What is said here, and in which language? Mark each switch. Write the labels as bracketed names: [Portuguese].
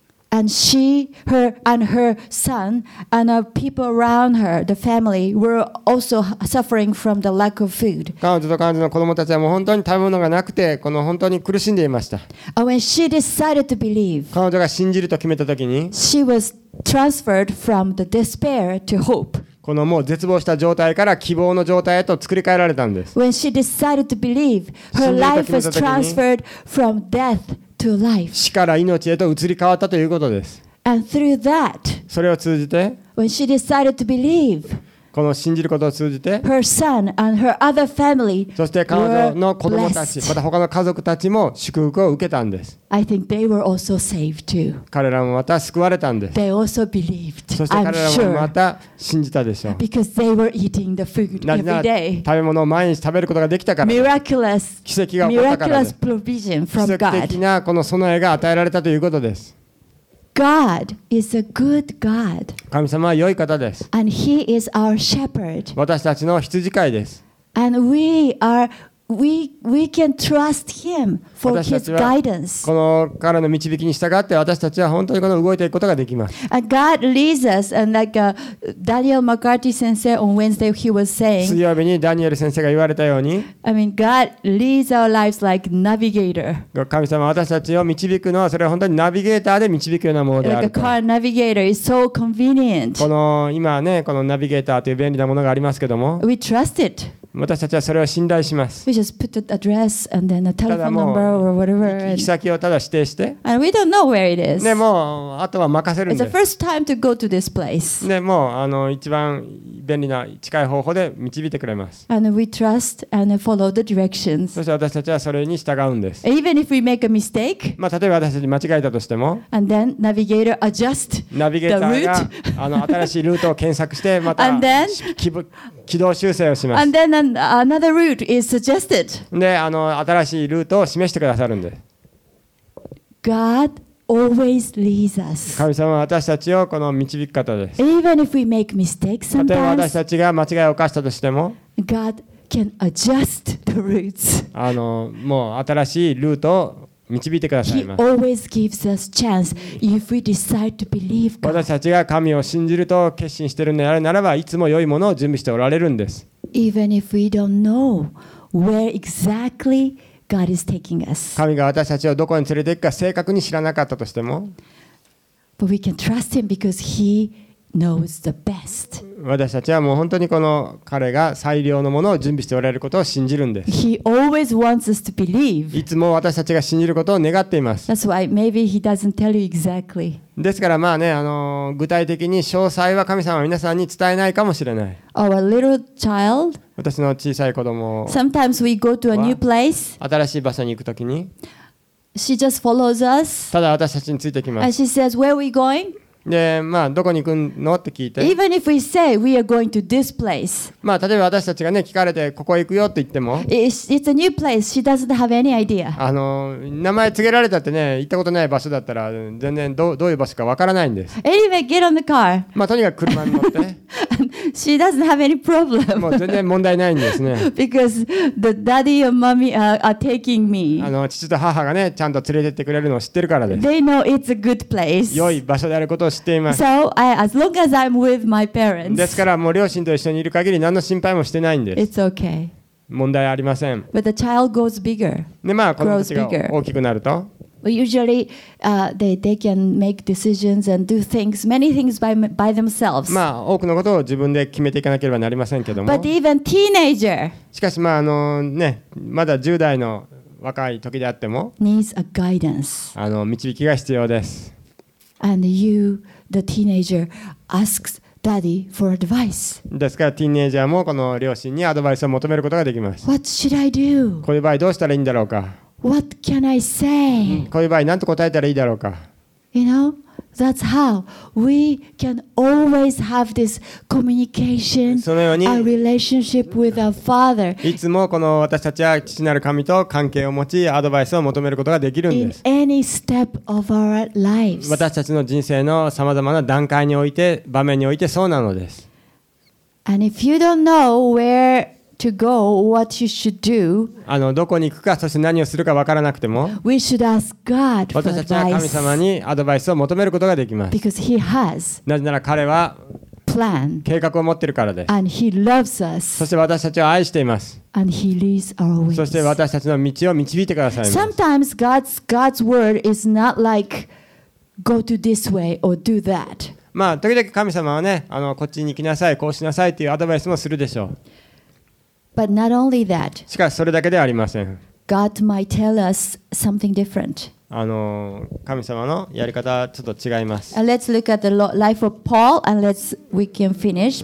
[English] And she, her, and her son, and the people around her, the family, were also suffering from the lack of food. [Japanese] 彼女と彼女の子供たちはもう本当に食べ物がなくて、この本当に苦しんでいました。 [English] And when she decided to believe, [Japanese] 彼女が信じると決めた時に、 [English] she was transferred from the despair to hope. [Japanese] このもう絶望した状態から希望の状態へと作り変えられたんです。 [English] When she decided to believe, her life was transferred from death. [Japanese] 死から命へと移り変わったということです。 [English] And through that, [Japanese] それを通じて、 [English] when she decided to believe, [Japanese] この信じることを通じて、 [English] her son and her other family, [Japanese] そして彼女の子供たち、また他の家族たちも祝福を受けたんです。 [English] I think they were also saved too. [Japanese] 彼らもまた救われたんです。 [English] They also believed, [Japanese] そして彼らもまた信じたでしょう。 [English] Because they were eating the food every day. [Japanese] 食べ物を毎日食べることができたから、 [English] miraculous, [Japanese] 奇跡が起こったからです。 [English] Provision from God. [Japanese] 奇跡的なこの備えが与えられたということです。 [English] God is a good God. [Japanese] 神様は良い方です。 [English] And He is our shepherd. [Japanese] 私たちの羊飼いです。 [English] And we are we can trust him for his guidance. [Japanese] この彼の導きに従って私たちは本当にこの動いていくことができます。 [English] God leads us, and like Daniel McCarthy 先生 on Wednesday he was saying. [Japanese] 水曜日にダニエル先生が言われたように。 [English] I mean, God leads our lives like navigator. [Japanese] 神様私たちを導くのはそれは本当にナビゲーターで導くようなものである。 [English] Like a car navigator is so convenient. [Japanese] この今ねこのナビゲーターという便利なものがありますけども。 [English] We trust it. [Japanese] 私たちはそれを信頼します。 [English] We just put the address and then a telephone number or whatever. [Japanese] 行き先をただ指定して。 [English] And we don't know where it is. [Japanese] でもあとは任せるんです。 [English] It's the first time to go to this place. [Japanese] でも一番便利な近い方法で導いてくれます。 [English] And we trust and follow the directions. [Japanese] そして私たちはそれに従うんです。 [English] Even if we make a mistake. [Japanese] まあ例えば私たち間違えたとしても。 [English] And then navigator adjust the route. [Japanese] ナビゲーターが新しいルートを検索してまた [English] and then, [Japanese] 軌道修正をします。 [English] And then another route is suggested. [Japanese] で、新しいルートを示してくださるんで。 [English] God always leads us. [Japanese] 神様は私たちをこの導く方です。 [English] Even if we make mistakes sometimes, [Japanese] 例えば私たちが間違いを犯したとしても、 [English] God can adjust the routes. [Japanese] もう新しいルートを導いてくださいます。 [English] He always gives us chance if we decide to believe God. [Japanese] 私たちが神を信じると決心しているのであるならば、いつも良いものを準備しておられるんです。 [English] Even if we don't know where exactly God is taking us. [Japanese] 神が私たちをどこに連れて行くか正確に知らなかったとしても、 [English] But we can trust him because he knows the best. [Japanese] 私たちはもう本当にこの彼が最良のものを準備しておられることを信じるんです。 [English] He always wants us to believe. [Japanese] いつも私たちが信じることを願っています。 [English] That's why maybe he doesn't tell you exactly. [Japanese] ですからまあね具体的に詳細は神様は皆さんに伝えないかもしれない。 [English] Our little child, [Japanese] 私の小さい子供。 [English] Sometimes we go to a new place. [Japanese] 新しい場所に行くときに。 [English] She just follows us. [Japanese] ただ私たちについてきます。 [English] And she says, "Where are we going?" [Japanese] で、まあどこに行くのって聞いて。 [English] Even if we say we are going to this place. [Japanese] まあ例えば私たちがね聞かれてここへ行くよと言っても。 [English] It's a new place. She doesn't have any idea. [Japanese] 名前告げられたってね行ったことない場所だったら全然どういう場所かわからないんです。 [English] Anyway, get on the car. [Japanese] まあとにかく車に乗って。 [English] She doesn't have any problem. [Japanese] もう全然問題ないんですね。 [English] Because the daddy and mommy are taking me. [Japanese] 父と母がねちゃんと連れてってくれるのを知ってるからです。 [English] They know it's a good place. [Japanese] 良い場所であることを知っています。 [English] So as long as I'm with my parents. [Japanese] ですからもう両親と一緒にいる限り何の心配もしてないんです。 [English] It's okay. [Japanese] 問題ありません。 [English] But the child grows bigger. [Japanese] でまあ子供たちが大きくなると。 [English] Usually, they can make decisions and do things, many things by themselves. [Japanese] まあ多くのことを自分で決めていかなければなりませんけども。 [English] But even teenager. [Japanese] しかしまあねまだ10代の若い時であっても。 [English] Needs a guidance. [Japanese] 導きが必要です。 [English] And you, the teenager, asks daddy for advice. [Japanese] ですからティーンエイジャーもこの両親にアドバイスを求めることができます。 [English] What should I do? [Japanese] こういう場合どうしたらいいんだろうか。 [English] What can I say? [Japanese] こういう場合何と答えたらいいだろうか。 [English] You know, that's how we can always have this communication, [Japanese] そのように [English] a relationship with our father. [Japanese] いつもこの私たちは父なる神と関係を持ちアドバイスを求めることができるんです。 [English] In any step of our lives. [Japanese] 私たちの人生のさまざまな段階において場面においてそうなのです。 [English] And if you don't know whereTo go, what you should do, [Japanese] どこに行くかそして何をするか分からなくても [English] we should ask God for advice. [Japanese] 私たちは神様にアドバイスを求めることができます。 [English] Because he has [Japanese] なぜなら彼は [English] plan, [Japanese] 計画を持っているからです。 [English] And he loves us, [Japanese] そして私たちを愛しています。 [English] And he leads our ways. [Japanese] そして私たちの道を導いてくださいます。 [English] Sometimes God's word is not like go to this way or do that. [Japanese] まあ時々神様はねこっちに行きなさいこうしなさいというアドバイスもするでしょう。 [English] But not only that. [Japanese] しかしそれだけではありません。 [English] God might tell us something different. [Japanese] 神様のやり方はちょっと違います。 [English] Let's look at the life of Paul and we can finish.